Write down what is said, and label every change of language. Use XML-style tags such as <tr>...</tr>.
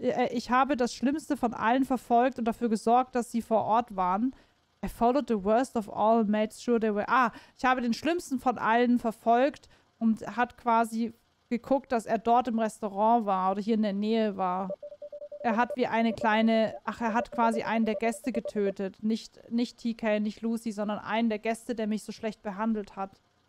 <de>Ich habe das Schlimmste von allen verfolgt und dafür gesorgt, dass sie vor Ort waren.</de> <en>I followed the worst of all, made sure they were.</en> <de>Ah, ich habe den Schlimmsten von allen verfolgt und hat quasi geguckt, dass er dort im Restaurant war oder hier in der Nähe war. Er hat quasi einen der Gäste getötet. Nicht TK, nicht Lucy, sondern einen der Gäste, der mich so schlecht behandelt hat.</de>